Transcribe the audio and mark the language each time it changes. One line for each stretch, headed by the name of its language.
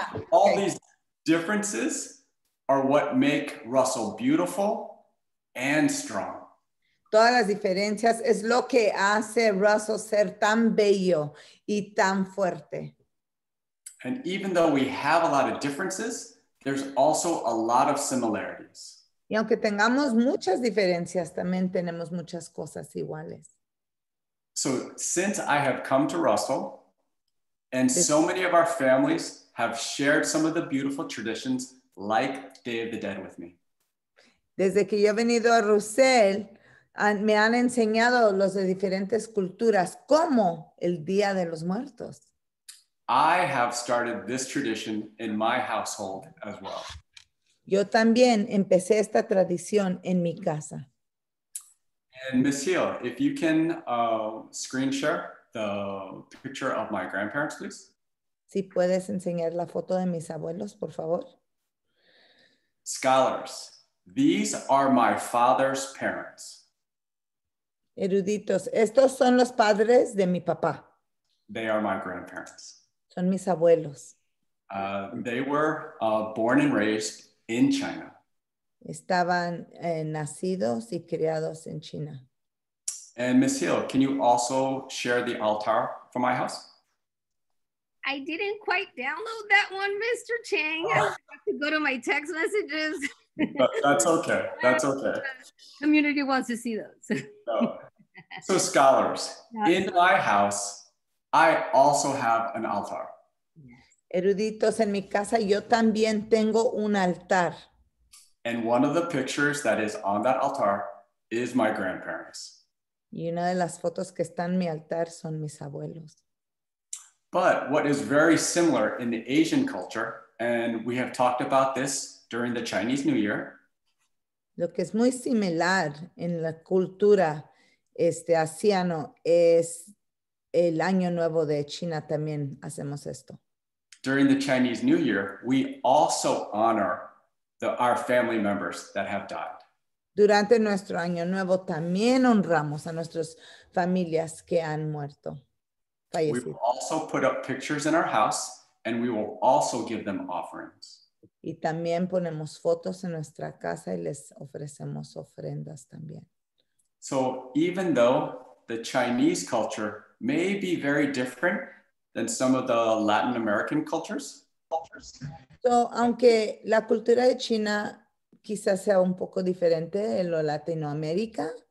English: All these differences are what make Russell beautiful and strong.
Spanish: Todas las diferencias es lo que hace Russell ser tan bello y tan fuerte.
English: And even though we have a lot of differences, there's also a lot of similarities.
Spanish: Y aunque tengamos muchas diferencias, también tenemos muchas cosas iguales.
English: So since I have come to Russell, and so many of our families have shared some of the beautiful traditions like Day of the Dead with me.
Spanish: Desde que yo he venido a Russell, me han enseñado los de diferentes culturas como el Día de los Muertos.
English: I have started this tradition in my household as well.
Spanish: Yo también empecé esta tradición en mi casa.
English: And Ms. Hill, if you can screen share the picture of my grandparents, please.
Spanish: Si puedes enseñar la foto de mis abuelos, por favor.
English: Scholars, these are my father's parents.
Spanish: Eruditos, estos son los padres de mi papá.
English: They are my grandparents.
Spanish: Son mis abuelos.
English: They were born and raised in China.
Spanish: Estaban nacidos y criados en China.
English: And Ms. Hill, can you also share the altar for my house? I didn't quite download that one, Mr. Chang. I have to go to my text messages. But that's okay. That's okay. Community wants to see those. So scholars, in my house, I also have an altar.
Spanish: Eruditos, en mi casa, yo también tengo un altar.
English: And one of the pictures that is on that altar is my grandparents.
Spanish: Y una de las fotos que están en mi altar son mis abuelos.
English: But what is very similar in the Asian culture and we have talked about this during the Chinese New Year.
Spanish: Lo que es muy similar en la cultura asiano es el Año Nuevo de China, también hacemos esto.
English: During the Chinese New Year, we also honor our family members that have died.
Spanish: Durante nuestro Año Nuevo, también honramos a nuestras familias que han muerto, fallecido.
English: We will also put up pictures in our house, and we will also give them offerings.
Spanish: Y también ponemos fotos en nuestra casa y les ofrecemos ofrendas también.
English: So even though the Chinese culture may be very different than some of the Latin American cultures.
Spanish: So, aunque la cultura de China quizás sea un poco diferente de lo Latinoamérica,